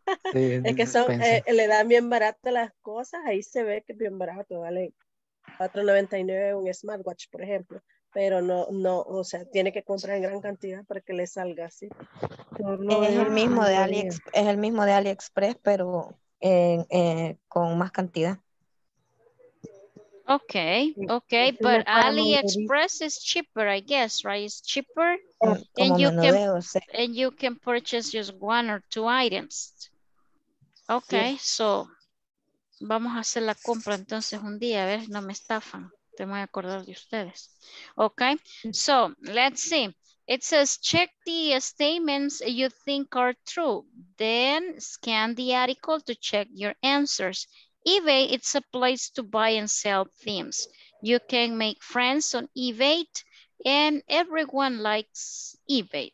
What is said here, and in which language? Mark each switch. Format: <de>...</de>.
<es>Sí, es que son, le dan bien barato las cosas, ahí se ve que es bien barato, vale. $4.99 un smartwatch, por ejemplo, pero no, o sea, tiene que comprar en gran cantidad para que le salga así. Es el mismo de AliExpress, pero con más cantidad.</es> <en>Okay, but AliExpress is cheaper, I guess, right? It's cheaper, and you can purchase just one or two items.</en> <es>Okay, sí. So vamos a hacer la compra entonces un día, a ver, no me estafan, te voy a acordar de ustedes.</es> <en>Okay, so let's see. It says, check the statements you think are true, then scan the article to check your answers. eBay, it's a place to buy and sell things. You can make friends on eBay, and everyone likes eBay.</en>